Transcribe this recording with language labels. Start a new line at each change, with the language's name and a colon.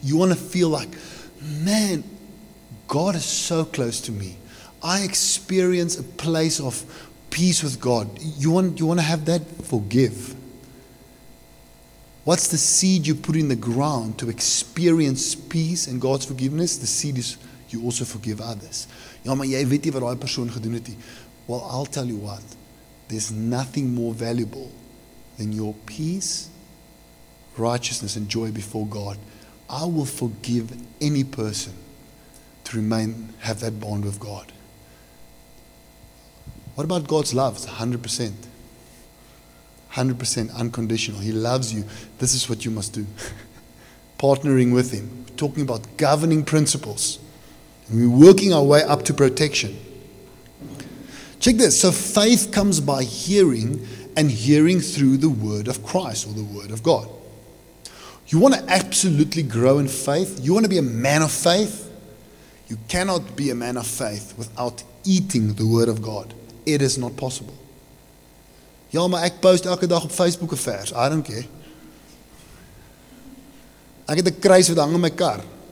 English: You want to feel like, man, God is so close to me. I experience a place of peace with God. You want to have that? Forgive. What's the seed you put in the ground to experience peace and God's forgiveness? The seed is you also forgive others.
Afrikaans: Ja, maar jy weet nie wat daai persoon gedoen het nie.
English: Well, I'll tell you what. There's nothing more valuable than your peace, righteousness, and joy before God. I will forgive any person to remain, have that bond with God. What about God's love? It's 100%. 100% unconditional. He loves you. This is what you must do. Partnering with Him. We're talking about governing principles. And we're working our way up to protection. Check this. So faith comes by hearing, and hearing through the word of Christ or the word of God. You want to absolutely grow in faith? You want to be a man of faith? You cannot be a man of faith without eating the word of God. It is not possible.
Afrikaans: Ja, maar ek post elke dag op Facebook 'n vers.
English: I don't care.
Afrikaans: Ek het 'n kruis wat hang in my kar.